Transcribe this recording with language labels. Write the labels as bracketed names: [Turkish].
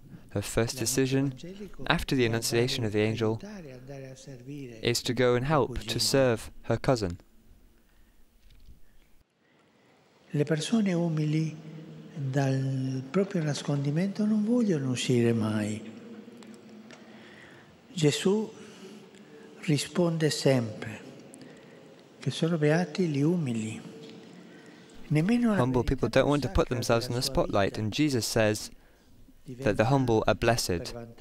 [English] Her first decision, after the annunciation of the angel, is to go and help to serve her cousin. [Italian] Le persone umili dal proprio nascondimento non vogliono uscire mai. Gesù risponde sempre che sono beati gli umili. [English] Humble people don't want to put themselves in the spotlight, and Jesus says that the humble are blessed.